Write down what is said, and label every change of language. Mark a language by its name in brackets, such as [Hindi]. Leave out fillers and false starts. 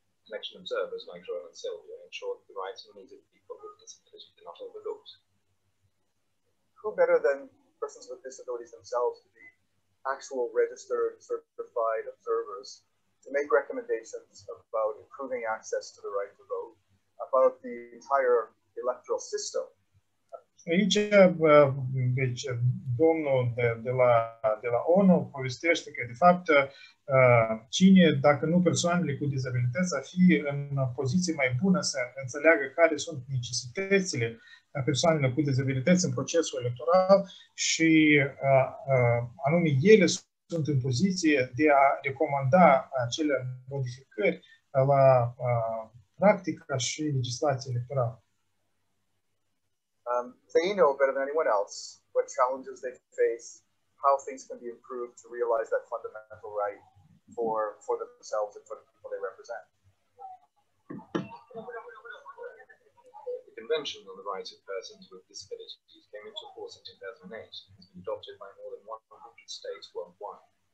[English] Election observers like Joel and Sylvia ensure that the rights and needs of people with disabilities are not overlooked. Who better than persons with disabilities themselves to be actual registered, certified observers to make recommendations about improving access to the right to vote, about the entire electoral system? [Romanian] Aici, deci, domnul de la ONU povestește că, de fapt, cine, dacă nu persoanele cu dizabilități, ar fi în poziție mai bună să înțeleagă care sunt necesitățile a persoanelor cu dizabilități în procesul electoral și anume ele sunt în poziție de a recomanda acele modificări la practica și legislația electorală. [English] They know better than anyone else what challenges they face, how things can be improved to realize that fundamental right for themselves and for the people they represent. The Convention on the Rights of Persons with Disabilities came into force in 2008 and has been adopted by more than 100 states worldwide.